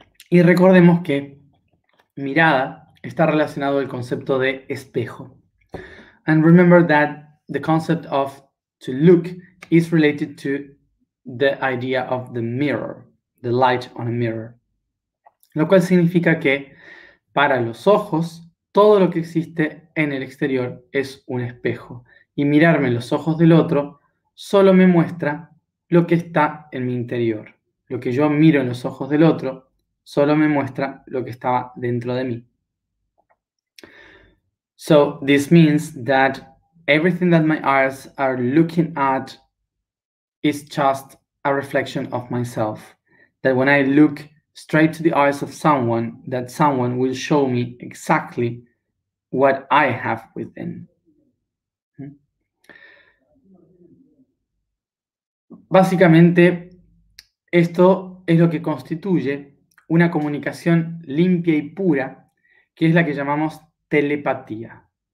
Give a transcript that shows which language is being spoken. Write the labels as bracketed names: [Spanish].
[Spanish] Y recordemos que mirada está relacionado al concepto de espejo. [English] And remember that the concept of to look is related to the idea of the mirror, the light on a mirror. [Spanish] Lo cual significa que para los ojos, todo lo que existe en el exterior es un espejo. Y mirarme en los ojos del otro solo me muestra lo que está en mi interior. Lo que yo miro en los ojos del otro solo me muestra lo que estaba dentro de mí. [English] So this means that everything that my eyes are looking at is just a reflection of myself. That when I look straight to the eyes of someone, that someone will show me exactly what I have within. [Spanish] Básicamente, esto es lo que constituye una comunicación limpia y pura, que es la que llamamos telepatía.